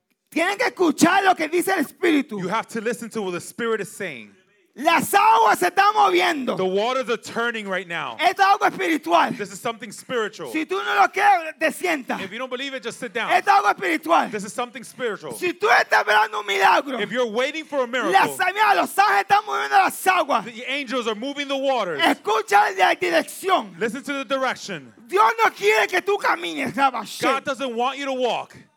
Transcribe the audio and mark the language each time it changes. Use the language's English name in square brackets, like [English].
[Spanish] Tienen que escuchar lo que dice el Espíritu. [English] You have to listen to what the Spirit is saying. [Spanish] Las aguas se están moviendo. [English] The waters are turning right now. [Spanish] Es algo espiritual. [English] This is something spiritual. [Spanish] Si tú no lo crees, desienta. [English] If you don't believe it, just sit down. [Spanish] Es algo espiritual. [English] This is something spiritual. [Spanish] Si tú estás esperando un milagro. [English] If you're waiting for a miracle. [Spanish] Las aguas, los ángeles están moviendo las aguas. [English] The angels are moving the waters. [Spanish] Escucha la dirección. [English] Listen to the direction. [Spanish] Dios no quiere que tú camines, Rabashé. [English] God doesn't want you to walk.